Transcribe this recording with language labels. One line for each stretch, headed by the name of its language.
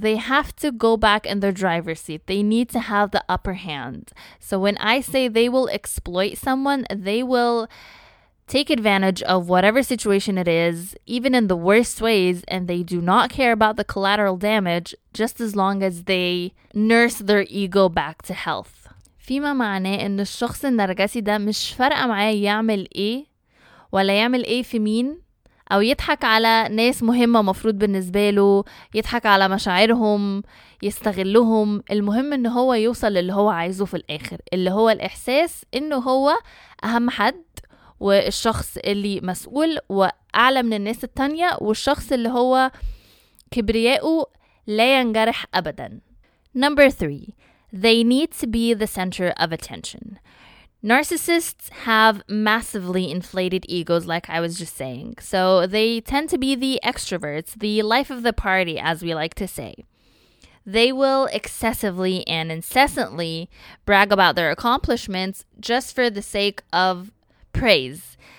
English: They have to go back in their driver's seat. They need to have the upper hand. So when I say they will exploit someone, they will take advantage of whatever situation it is, even in the worst ways, and they do not care about the collateral damage just as long as they nurse their ego back to health.
Arabic: فيما معناه ان الشخص النرجسي ده مش فارقه معاه يعمل ايه ولا يعمل ايه في مين، أو يضحك على ناس مهمة مفروض بالنسبة له، يضحك على مشاعرهم، يستغلهم، المهم إن هو يوصل اللي هو عايزه في الآخر، اللي هو الإحساس إنه هو أهم حد والشخص اللي مسؤول وأعلى من الناس التانية والشخص اللي هو كبرياؤه لا ينجرح أبداً.
English: Number three, they need to be the center of attention. Narcissists have massively inflated egos, like I was just saying. So they tend to be the extroverts, the life of the party, as we like to say. They will excessively and incessantly brag about their accomplishments just for the sake of praise.